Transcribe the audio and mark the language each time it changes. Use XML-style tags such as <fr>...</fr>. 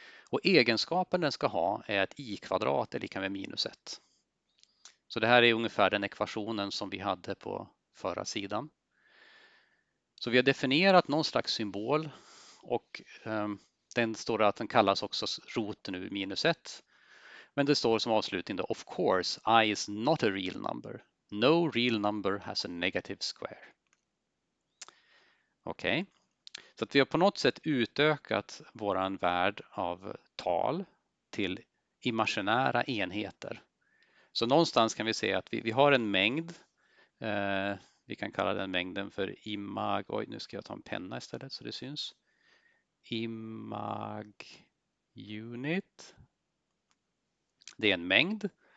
<sv>Och egenskapen den ska ha är att i-kvadrat är lika med minus 1. Så det här är ungefär den ekvationen som vi hade på förra sidan. Så vi har definierat någon slags symbol och den står att den kallas också roten ur minus 1. Men det står som avslutning då,</sv> <en>of course, I is not a real number. No real number has a negative square.</en> <sv>Okej. Okay. Så att vi har på något sätt utökat våran värld av tal till imaginära enheter. Så någonstans kan vi se att vi har en mängd. Vi kan kalla den mängden för imag. Oj, nu ska jag ta en penna istället så det syns. Imag unit. Det är en mängd.</sv>